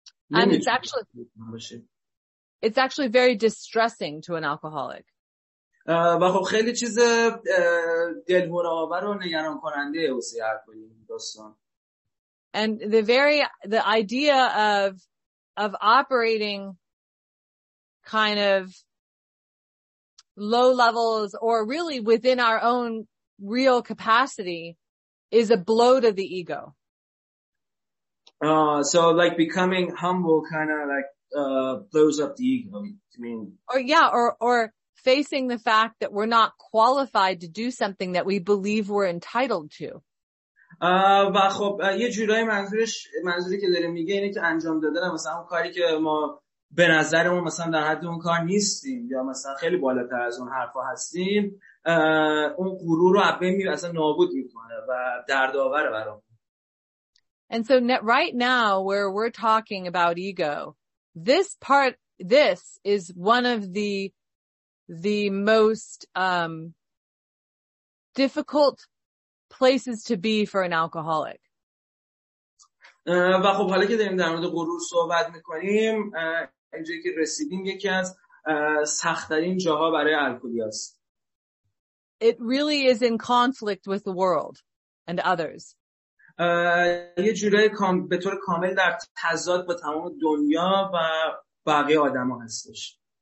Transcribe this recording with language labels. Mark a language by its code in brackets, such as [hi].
[en] And it's actually very distressing to an alcoholic. [fa] و خب خیلی چیز دلهره‌آور و نگران کننده واسه هر کسی دوستان. [en] And the idea of operating kind of low levels or really within our own real capacity is a blow to the ego. So like becoming humble kind of like blows up the ego. I mean, or facing the fact that we're not qualified to do something that we believe we're entitled to. [fa] و خب یه جورایی منظوری که داره میگه اینه که انجام دادن مثلا اون کاری که ما به نظرمون مثلا در حد اون کار نیستیم یا مثلا خیلی بالاتر از اون حرفا هستیم اون غرور رو عبه میره اصلا نابود میکنه و دردآور برام. [en] And so right now where we're talking about ego, this is one of the most difficult places to be for an alcoholic. [fa] و خب حالا که داریم در مورد غرور صحبت میکنیم اینجایی که رسیدیم یکی از سخت‌ترین جاها برای الکلی است. [en] It really is in conflict with the world and others. [fa] یه جورایی به طور کامل در تضاد با تمام دنیا و بقیه آدم ها هستش.